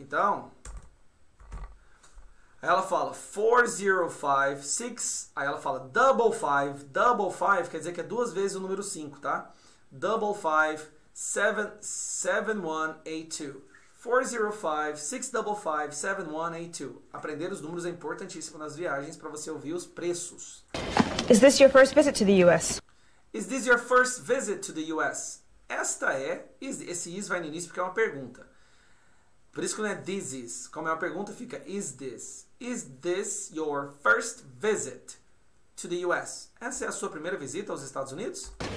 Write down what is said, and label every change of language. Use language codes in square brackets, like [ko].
[pt] Então, ela fala 405-6, aí ela fala [en] double 5, double 5, [pt] quer dizer que é duas vezes o número 5, tá? [en] Double 5-7-7-1-8-2. [pt] 405-655-7182. Aprender os números é importantíssimo nas viagens para você ouvir os preços. [en] Is this your first visit to the US? Is this your first visit to the US? [pt] Esta é, esse is vai no início porque é uma pergunta. Por isso que não é [en] this is. [pt] Como é uma pergunta, fica [en] is this. Is this your first visit to the US? [pt] Essa é a sua primeira visita aos Estados Unidos?